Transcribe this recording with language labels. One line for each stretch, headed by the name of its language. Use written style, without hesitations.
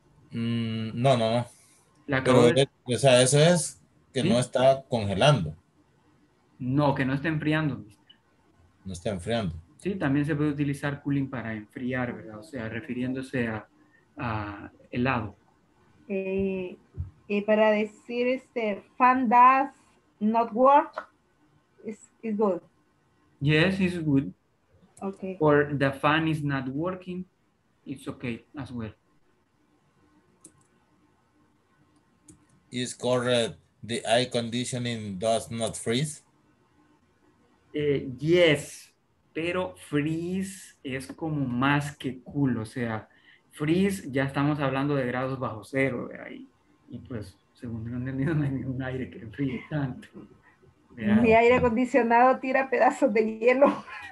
Spanish: No. La pero, o sea, eso es que ¿sí? No está congelando. No, que no está enfriando, mister. No está enfriando. Sí, también se puede utilizar cooling para enfriar, ¿verdad? O sea, refiriéndose a helado. Y para decir
English: fan does not work, it's good. Yes, it's good. Okay. Or the fan is not working, it's okay as well. Is correct, the air conditioning does not freeze?
Spanish: Yes, pero freeze es como más que cool, o sea, freeze ya estamos hablando de grados bajo cero, ¿verdad? Y pues, según lo entendido, no hay ningún aire que enfríe tanto. Mi aire acondicionado tira pedazos de hielo.